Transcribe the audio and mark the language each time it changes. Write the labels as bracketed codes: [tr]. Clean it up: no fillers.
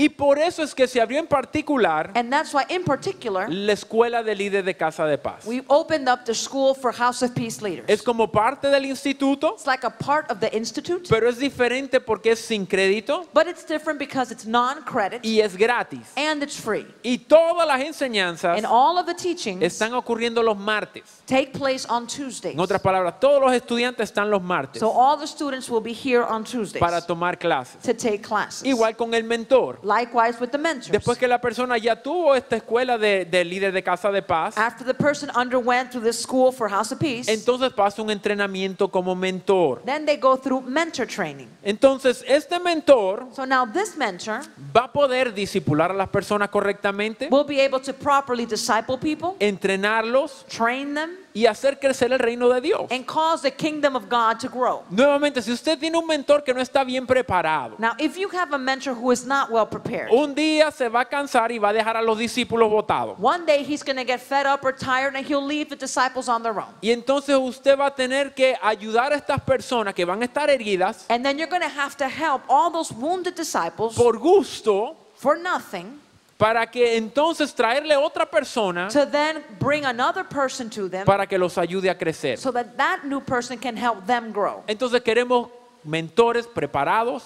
[es] Y por eso es que se abrió en particular. [en] And that's why in particular. [es] La escuela de líderes de casa de paz. [en] We opened up the school for house of peace leaders. [es] Es como parte del instituto. [en] Like a part of the institute. [es] Pero es diferente porque es sin crédito. [en] But it's different because it's non-credit. [es] Y es gratis. [en] And it's free. [es] Y todas las enseñanzas. [en] And all of the teachings. [es] Están ocurriendo los martes. [en] Take place on Tuesdays. [es] En otras palabras, todos los estudiantes están los martes. [en] So all the students will be here on Tuesdays. [es] Para tomar clases. [en] To take classes. [es] Igual con el mentor. [en] Likewise with the mentors. [es] Después que la persona ya tuvo esta escuela de líder de casa de paz. [en] After the person underwent through this school for House of Peace. [es] Entonces pasa un entrenamiento como mentor. [en] Then they go through mentor training. [es] Entonces, este mentor, [en] so now this mentor [es] va a poder discipular a las personas correctamente, [en] will be able to properly disciple people, [es] entrenarlos, [en] train them, [es] y hacer crecer el reino de Dios. [en] And cause the kingdom of God to grow. [es] Nuevamente, si usted tiene un mentor que no está bien preparado. [en] Now, if you have a mentor who is not well prepared. [es] Un día se va a cansar y va a dejar a los discípulos botados. [en] One day he's going to get fed up or tired and he'll leave the disciples on their own. [es] Y entonces usted va a tener que ayudar a estas personas que van a estar heridas. [en] And then you're going to have to help all those wounded disciples. [es] Por gusto. [en] For nothing. [es] Para que entonces traerle otra persona. [en] To then bring another person to them. [es] Para que los ayude a crecer. [en] So that that new person can help them grow. [es] Entonces queremos mentores preparados.